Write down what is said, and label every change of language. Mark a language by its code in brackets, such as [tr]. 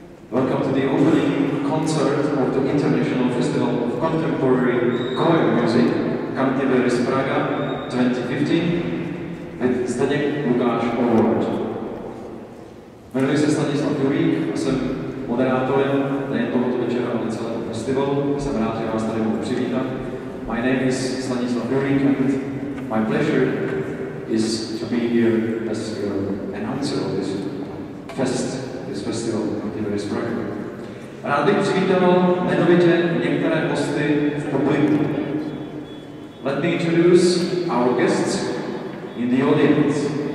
[en] Welcome to the opening concert of the International Festival of Contemporary Choir Music, Cantiveris Praga 2015, with Zdeněk Lukáš Award. [cs] Jmenuji se Stanislav Jurík a jsem moderátorem nejen tohoto večera, ale celého festivalu. Jsem rád, že vás tady mohu přivítat. [en] My name is Stanislav Jurík and my pleasure is to be here as your announcer of this fest, this festival of Cantiveris Praga. [cs] Rád bych přivítal jmenovitě některé hosty v publiku. [en] Let me introduce our guests in the audience.